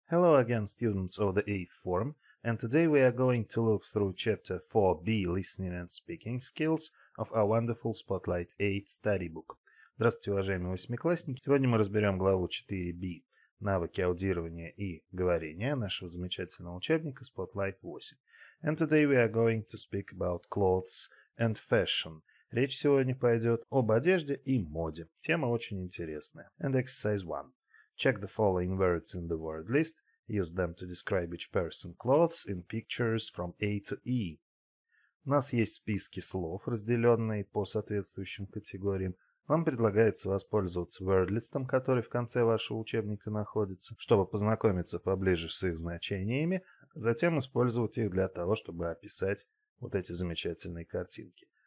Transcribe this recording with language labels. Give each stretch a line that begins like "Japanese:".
English: Hello again, students of the 8th form, and today we are going to look through Chapter 4B, Listening and Speaking Skills, of our wonderful Spotlight 8 study book.
Russian: Здравствуйте, уважаемые восьмиклассники! Сегодня мы разберем главу 4B, навыки аудирования и говорения нашего замечательного учебника Spotlight 8.
English: And today we are going to speak about clothes and fashion.
Russian: Речь сегодня пойдет об одежде и моде. Тема очень интересная.
English: And exercise 1. Check the following words in the word list. Use them to describe each person's clothes in pictures from A to E.
Russian: У нас есть списки слов, разделенные по соответствующим категориям. Вам предлагается воспользоваться вордлистом, который в конце вашего учебника находится, чтобы познакомиться поближе с их значениями, затем использовать их для того, чтобы описать вот эти замечательные картинки.